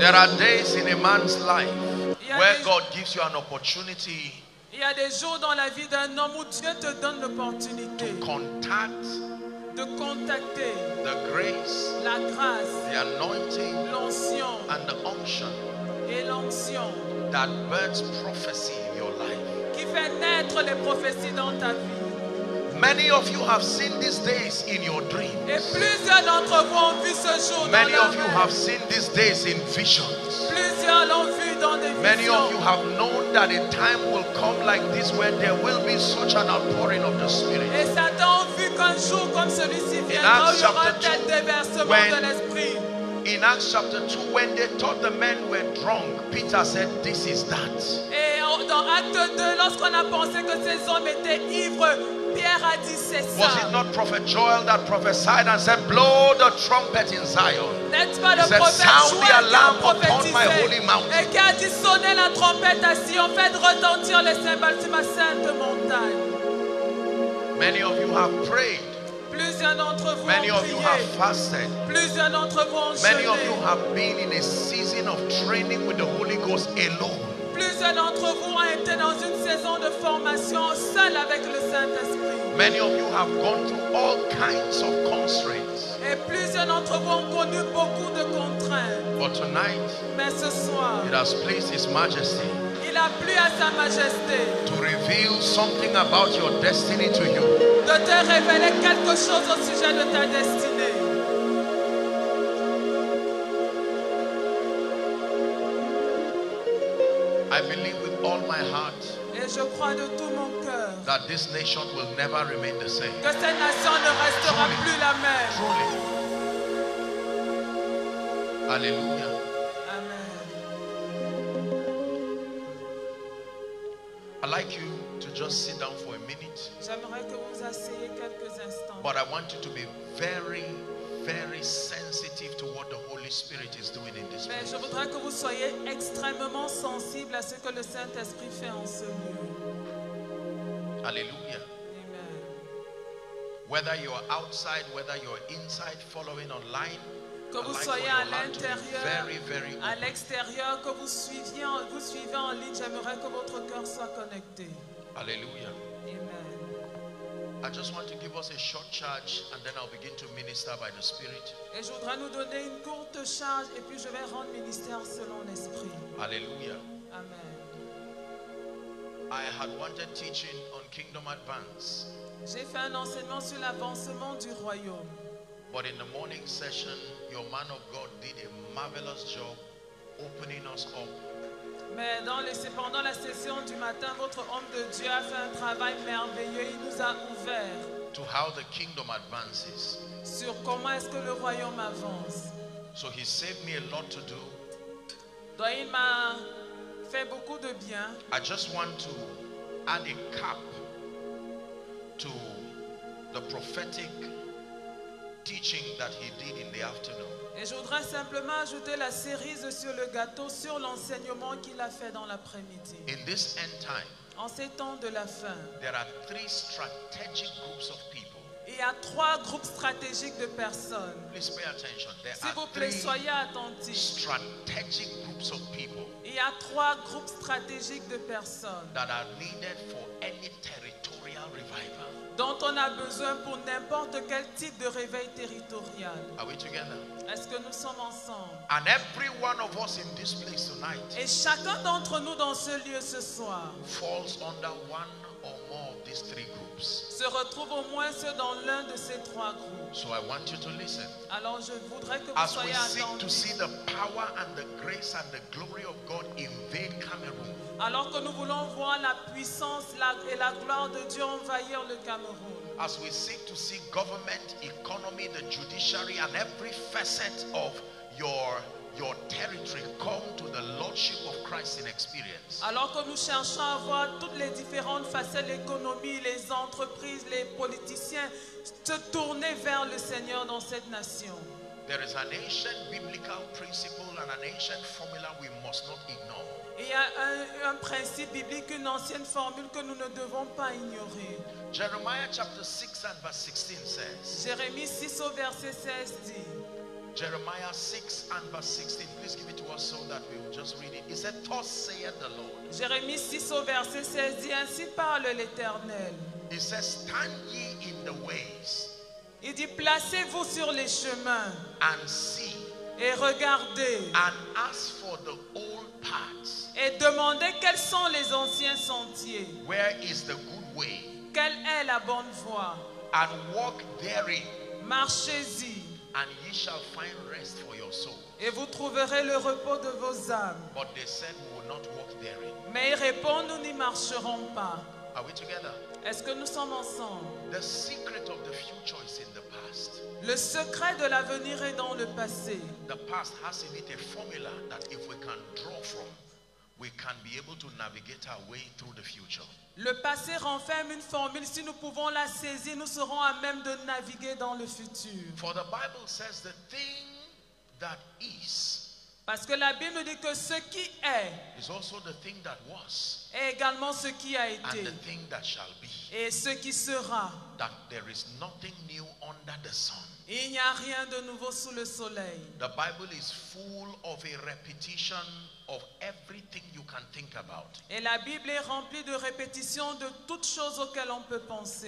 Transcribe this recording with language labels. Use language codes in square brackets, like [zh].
[en] There are days in a man's life where God gives you an opportunity. [fr] Il y a des jours dans la vie d'un homme où Dieu te donne l'opportunité de contacter [en] the grace, [fr] la grâce, [en] the anointing, [fr] l'onction, [en] and the unction, [fr] et l'onction [en] that births prophecy in your life. [fr] Qui fait naître les prophéties dans ta vie. [en] Many of you have seen these days in your dreams. [fr] Et plusieurs d'entre vous ont vu ce jour. [en] Many [fr] dans [en] of you have seen these days in visions. [fr] Plusieurs l'ont vu dans des [en] Many [fr] visions. [en] Of you have known that a time will come like this where there will be such an outpouring of the Spirit. [fr] Et Satan vu qu'un jour comme celui-ci viendra, il y aura tel déversement de l'esprit. [en] In Acts chapter 2, when they thought the men were drunk, Peter said, "This is that." [fr] Et dans Acte 2, lorsqu'on a pensé que ces hommes étaient ivres, Pierre a dit, c'est ça. [en] Was it not Prophet Joel that prophesied and said, "Blow the trumpet in Zion"? [fr] N'est-ce pas le prophète Joël qui a prophétisé? [en] Sound the alarm upon my holy mountain. [fr] Et qui a dit, sonnez la trompette à Sion, faites retentir les cymbales sur ma sainte montagne. [en] Many of you have prayed. [fr] Plusieurs d'entre vous [en] Many [fr] ont [en] of [fr] prié. [en] You have fasted. [fr] Plusieurs d'entre vous ont [en] Many [fr] jeûné. [en] Of you have been in a season of training with the Holy Ghost alone. [fr] Plusieurs d'entre vous ont été dans une saison de formation seul avec le Saint-Esprit. [en] Many of you have gone through all kinds of constraints. [fr] Et plusieurs d'entre vous ont connu beaucoup de contraintes. [en] But tonight, [fr] mais ce soir, [en] it has pleased His Majesty. [fr] Il a plu à sa majesté [en] to reveal something about your destiny to you. [fr] De te révéler quelque chose au sujet de ta destinée. [en] I believe with all my heart [fr] et je crois de tout mon cœur [en] that this nation will never remain the same. [fr] Que cette nation ne restera [en] Truly. [fr] Plus la même. Alléluia. [en] I'd like you to just sit down for a minute. [fr] J'aimerais que vous asseyez quelques instants. [en] But I want you to be very, very sensitive to what the Holy Spirit is doing in this place. [fr] Mais je voudrais que vous soyez extrêmement sensible à ce que le Saint-Esprit fait en ce lieu. Alléluia. Amen. [en] Whether you're outside, whether you're inside, following online, [fr] que vous soyez à l'intérieur, à l'extérieur, que vous suivez en ligne, j'aimerais que votre cœur soit connecté. Alléluia. Amen. [en] I just want to give us a short charge and then I'll begin to minister by the Spirit. [fr] Et je voudrais nous donner une courte charge et puis je vais rendre ministère selon l'Esprit. Alléluia. Amen. [en] I had wanted teaching on kingdom advance. [fr] J'ai fait un enseignement sur l'avancement du royaume. [en] But in the morning session, your man of God did a marvelous job opening us up. [fr] Mais pendant la session du matin, votre homme de Dieu a fait un travail merveilleux. Il nous a ouvert. [en] To how the kingdom advances. [fr] Sur comment est-ce que le royaume avance. [en] So he saved me a lot to do. [fr] Donc il m'a fait beaucoup de bien. [en] I just want to add a cap to the prophetic teaching that he did in the afternoon. [fr] Et je voudrais simplement ajouter la cerise sur le gâteau sur l'enseignement qu'il a fait dans l'après-midi. [en] In this end time, [fr] en ces temps de la fin, [en] there are three strategic groups of people. [fr] Il y a trois groupes stratégiques de personnes. [en] Please pay attention. There [fr] S'il vous plaît, soyez attentifs. [en] Strategic groups of people. [fr] Il y a trois groupes stratégiques de personnes. [en] That are needed for any territorial revival. [fr] Dont on a besoin pour n'importe quel type de réveil territorial. [en] Are we together? [fr] Est-ce que nous sommes ensemble? [en] And every one of us in this place tonight. [fr] Et chacun d'entre nous dans ce lieu ce soir. [en] Falls under one or more of these three groups. [fr] Se retrouve au moins ceux dans l'un de ces trois groupes. [en] So I want you to listen. [fr] Alors je voudrais que vous [en] As [fr] soyez attentifs. [en] As we seek to see the power and the grace and the glory of God invade Cameroon. [fr] Alors que nous voulons voir la puissance et la gloire de Dieu envahir le Cameroun. [en] As we seek to see government, economy, the judiciary and every facet of your your territory come to the lordship of Christ in experience. [fr] Alors que nous cherchons à voir toutes les différentes facettes, l'économie, les entreprises, les politiciens se tourner vers le Seigneur dans cette nation. [en] There is an ancient biblical principle and an ancient formula we must not ignore. [fr] Il y a un principe biblique, une ancienne formule que nous ne devons pas ignorer. [en] Jeremiah chapter 6 and verse 16 says. [fr] Jérémie 6 au verset 16 dit. [en] Jeremiah 6 and verse 16. Please give it to us so that we will just read it. It says, "Thus saith the Lord." [fr] Jérémie 6 au verset 16 dit, ainsi parle l'Éternel. [en] He says, "Stand ye in the ways." [fr] Il dit, placez-vous sur les chemins. [en] And see. [fr] Et regardez. [en] And ask for the old paths. [fr] Et demandez quels sont les anciens sentiers. [en] Where is the good way? [fr] Quelle est la bonne voie? [en] And walk therein. [fr] Marchez-y. [en] And ye shall find rest for your soul. [fr] Et vous trouverez le repos de vos âmes. [en] But they said, we will not walk therein. [fr] Mais ils répondent, nous n'y marcherons pas. [en] Are we together? [fr] Est-ce que nous sommes ensemble? [en] The secret of the future is in the past. [fr] Le secret de l'avenir est dans le passé. [en] The past has in it a formula that if we can draw from, we can be able to navigate our way through the future. [fr] Le passé renferme une formule. Si nous pouvons la saisir, nous serons à même de naviguer dans le futur. [en] For the Bible says the thing that is. [fr] Parce que la Bible nous dit que ce qui est [en] is also the thing that was, [fr] est également ce qui a été [en] and the thing that shall be, [fr] et ce qui sera. [en] That there is nothing new under the sun. [fr] Il n'y a rien de nouveau sous le soleil. [en] The Bible is full of a repetition of everything you can think about. [fr] Et la Bible est remplie de répétitions de toutes choses auxquelles on peut penser.